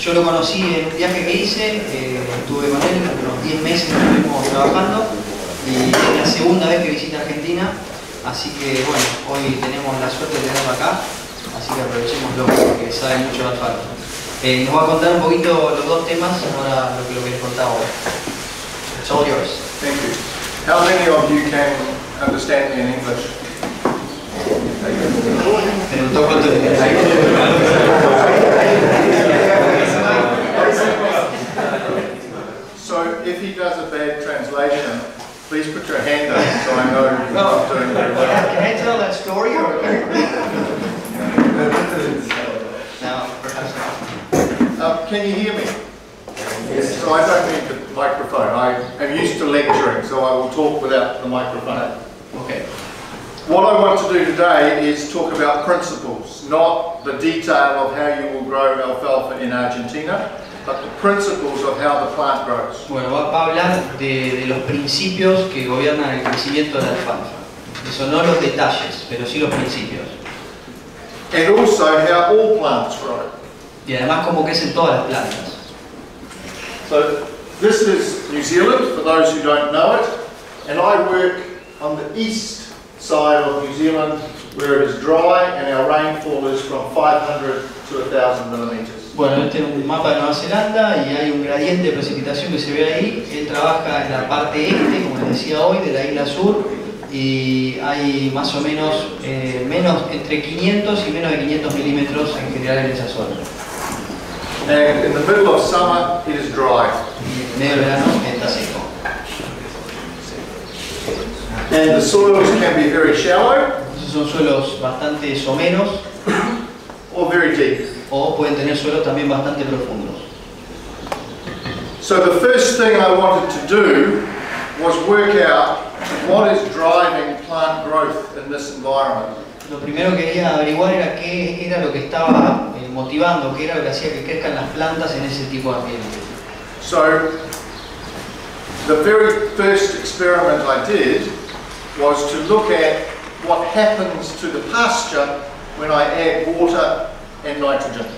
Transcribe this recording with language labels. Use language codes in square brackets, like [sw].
[es] Yo lo conocí en un viaje que hice, estuve con él, unos 10 meses estuvimos trabajando, y es la segunda vez que visita Argentina. Así que bueno, hoy tenemos la suerte de tenerlo acá, así que aprovechémoslo porque sabe mucho más falta. Nos va a contar un poquito los dos temas, ahora lo que les contaba hoy. [en] It's all yours. Thank you. How many of you can understand me in English? So if he does a bad translation, please put your hand up so I know you're not doing very well. Can I tell that story? No, perhaps not. Can you hear me? Yes. So I don't need the microphone. I am used to lecturing, so I will talk without the microphone. Okay. What I want to do today is talk about principles, not the detail of how you will grow alfalfa in Argentina, but the principles of how the plant grows. [es] Bueno, va a hablar de los principios que gobiernan el crecimiento de la alfalfa. Eso no los detalles, pero sí los principios. [en] And also how all plants grow. [es] Y además cómo crecen todas las plantas. [en] So this is New Zealand, for those who don't know it, and I work on the east side of New Zealand, where it is dry and our rainfall is from 500 to 1,000 millimeters. [es] Bueno, este es un mapa de Nueva Zelanda y hay un gradiente de precipitación que se ve ahí. Él trabaja en la parte este, como les decía hoy, de la isla sur, y hay más o menos, menos entre 500 y menos de 500 milímetros en general en esa zona. [en] And in the middle of summer, it is dry. And the soils can be very shallow. [es] Son suelos bastante somenos. [en] Or very deep. [es] O pueden tener suelos también bastante profundos. [en] So the first thing I wanted to do was work out what is driving plant growth in this environment. [es] Lo primero que quería averiguar era qué era lo que estaba motivando, qué era lo que hacía que crezcan las plantas en ese tipo de ambiente. [en] So, the very first experiment I did was to look at what happens to the pasture when I add water and nitrogen.